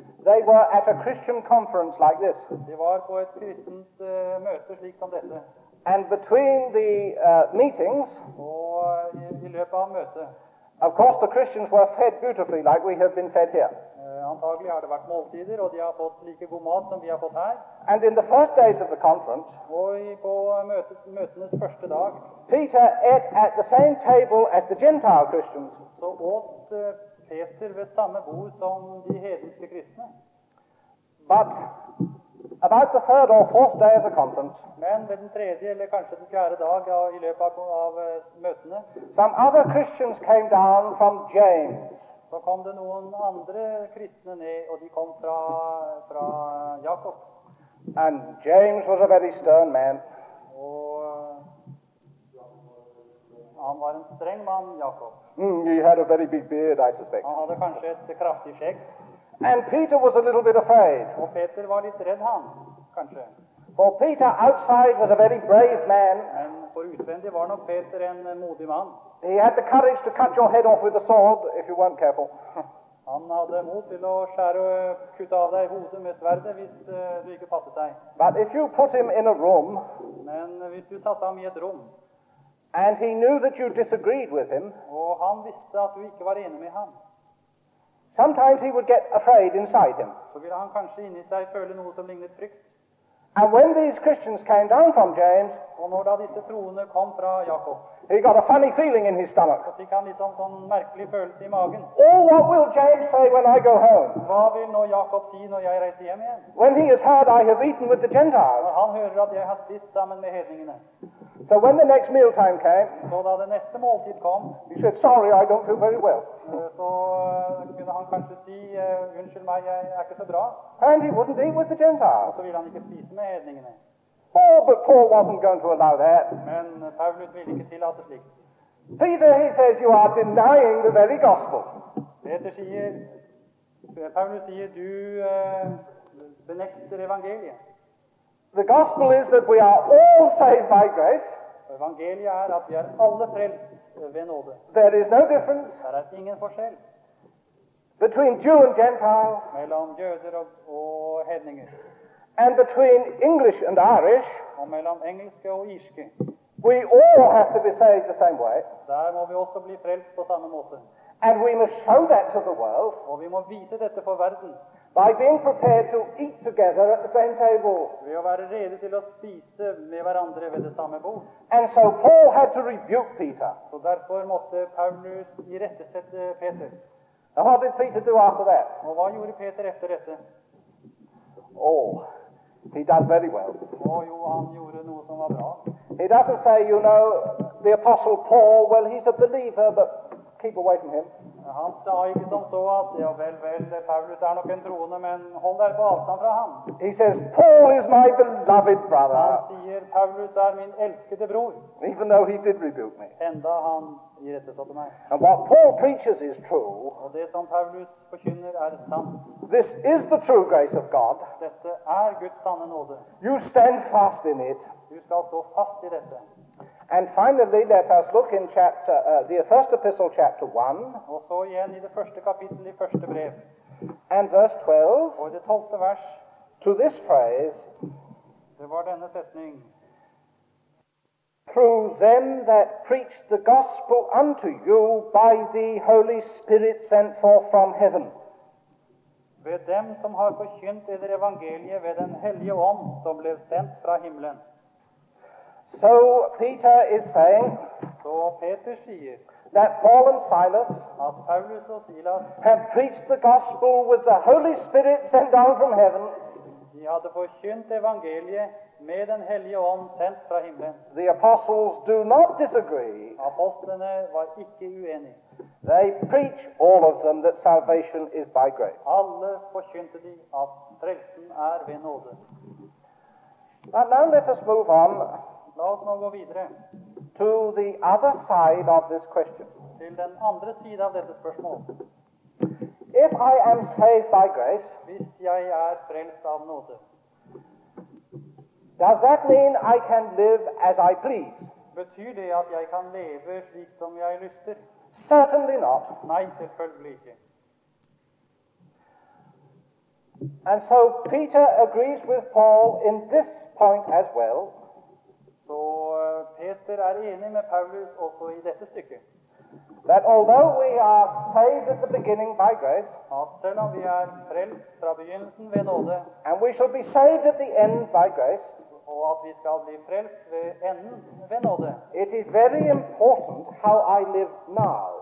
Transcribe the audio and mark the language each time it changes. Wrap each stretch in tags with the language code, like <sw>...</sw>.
<en>They were at a Christian conference like this.</en> <no>De var på et kristent møte slik som dette.</no> <en>And between the meetings,</en> <no>og i løpet av møtet,</no> <en>of course the Christians were fed beautifully like we have been fed here.</en> <no>Antagelig har det vært måltider, og de har fått like god mat som vi har fått her.</no> <en>And in the first days of the conference,</en> <no>og på møtenes første dag,</no> <en>Peter ate at the same table as the Gentile Christians.</en> <no>Så åt Peter ved samme bord som de hedenske kristne.</no> <en>But about the third or fourth day of the conference,</en> <no>men ved den tredje eller kanskje den fjerde dag i løpet av møtene,</no> <en>some other Christians came down from James.</en> <no>Så kom det noen andre kristne ned, og de kom fra Jakob.</no> <en>And James was a very stern man.</en> <no>Og han var en streng mann, Jakob.</no> <en>He had a very big beard, I suspect.</en> <no>Han hadde kanskje et kraftig skjegg.</no> <en>And Peter was a little bit afraid.</en> <no>Og Peter var litt redd han, kanskje.</no> <en>For Peter outside was a very brave man.</en> <no>Men for utvendig var nok Peter en modig mann.</no> <en>He had the courage to cut your head off with a sword if you weren't careful.</en> <no>Han hadde mod til å skjære og kutte av deg hodet med sverdet hvis du ikke passet deg.</no> <en>But if you put him in a room,</en> <no>men hvis du satte ham i et rom,</no> <en>and he knew that you disagreed with him,</en> <no>og han visste at du ikke var enig med ham,</no> <en>sometimes he would get afraid inside him.</en> <no>Så ville han kanskje inni seg føle noe som lignet frykt.</no> <en>And when these Christians came down from James,</en> <no>og når da disse troende kom fra Jakob,</no> <en>he got a funny feeling in his stomach.</en> <no>Så fikk han litt sånn merkelig følelse i magen.</no> <en>Oh, what will James say when I go home?</en> <no>Hva vil nå Jakob si når jeg reiser hjem igjen?</no> <en>When he has heard I have eaten with the Gentiles.</en> <no>Når han hører at jeg har spist sammen med hedningene.</no> <en>So when the next meal time came,</en> <no>så da det neste måltid kom,</no> <en>he said, sorry, I don't feel very well.</en> <no>Så kunne han kanskje si, unnskyld meg, jeg ikke så bra.</no> <en>And he wouldn't eat with the Gentiles.</en> <no>Så ville han ikke spise med hedningene.</no> <en>Oh, but Paul wasn't going to allow that.</en> <no>Men Paulus ville ikke tillate slik.</no> <en>Peter, he says, you are denying the very gospel.</en> <no>Peter sier, Paulus sier, du benekter evangeliet.</no> <en>The gospel is that we are all saved by grace.</en> <no>Evangeliet er at vi er alle frelst ved nåde.</no> <en>There is no difference.</en> <no>Der er ingen forskjell.</no> <en>Between Jew and Gentile.</en> <no>Mellom jøder og hedninger.</no> <en>And between English and Irish.</en> <no>Og mellom engelske og irske.</no> <en>We all have to be saved the same way.</en> <no>Der må vi også bli frelst på samme måte.</no> <en>And we must show that to the world.</en> <no>Og vi må vise dette for verden.</no> <en>By being prepared to eat together at the same table.</en> <no>Ved å være rede til å spise med hverandre ved det samme bord.</no> <en>And so Paul had to rebuke Peter.</en> <no>Så derfor måtte Paulus irettesette Peter.</no> <en>And what did Peter do after that?</en> <no>Og hva gjorde Peter etter dette?</no> <en>Oh, he does very well.</en> <no>Og jo, han gjorde noe som var bra.</no> <en>He doesn't say, you know, the apostle Paul, well, he's a believer, but keep away from him.</en> <no>Han sa ikke som så at, ja vel, vel, Paulus er nok en troende, men hold deg på avstand fra ham.</no> <en>He says, Paul is my beloved brother.</en> <no>Han sier, Paulus er min elskede bror.</no> <en>Even though he did rebuke me.</en> <no>Enda han irettesatte meg.</no> <en>And what Paul preaches is true.</en> <no>Og det som Paulus forkynner er sant.</no> <en>This is the true grace of God.</en> <no>Dette er Guds sanne nåde.</no> <en>You stand fast in it.</en> <no>Du skal stå fast i dette.</no> <en>And finally, let us look in chapter, the first epistle, chapter 1.</en> <no>Og så igjen i det første kapittel i første brev.</no> <en>And verse 12.</en> <no>Og det tolvte vers.</no> <en>To this phrase.</en> <no>Det var denne setning.</no> <en>Through them that preached the gospel unto you by the Holy Spirit sent forth from heaven.</en> <no>Ved dem som har forkynt eder evangeliet ved den hellige ånd som ble sendt fra himmelen.</no> <en>So Peter is saying,</en> <no>so Peter sier,</no> <en>that Paul and Silas,</en> <no>at Paulus og Silas</no> <en>have preached the gospel with the Holy Spirit sent down from heaven.</en> <no>De hadde forkynt evangeliet med den hellige ånd sendt fra himmelen.</no> <en>The apostles do not disagree.</en> <no>Apostlene var ikke uenige.</no> <en>They preach, all of them, that salvation is by grace.</en> <no>Alle forkynte de at frelsen er ved nåde.</no> <en>But now let us move on.</en> <no>La oss nå gå videre.</no> <en>To the other side of this question.</en> <no>Til den andre siden av dette spørsmålet.</no> <en>If I am saved by grace,</en> <no>hvis jeg er frelst av nåde,</no> <en>Does that mean I can live as I please?</en> <no>Betyr det at jeg kan leve slik som jeg lyster?</no> <en>Certainly not.</en> <no>Nei, selvfølgelig ikke.</no> <en>And so Peter agrees with Paul in this point as well.</en> <no>Så Peter enig med Paulus også i dette stykket.</no> <en>That although we are saved at the beginning by grace,</en> <no>selv om vi frelst fra begynnelsen ved nåde,</no> <en>and we shall be saved at the end by grace,</en> <no>og at vi skal bli frelst ved enden ved nåde,</no> <en>it is very important how I live now.</en>